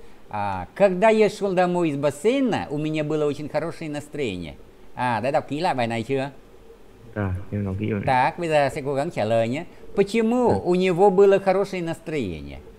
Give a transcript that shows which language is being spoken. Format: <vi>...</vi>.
<ru>À, когда я шел домой из бассейна, у меня было очень хорошее настроение.</ru> <vi>À, đã đọc kỹ lại bài này chưa? Да, em nói kỹ rồi này. Так, bây giờ sẽ cố gắng trả lời nhé.</vi> <ru>Почему у него было хорошее настроение?</ru>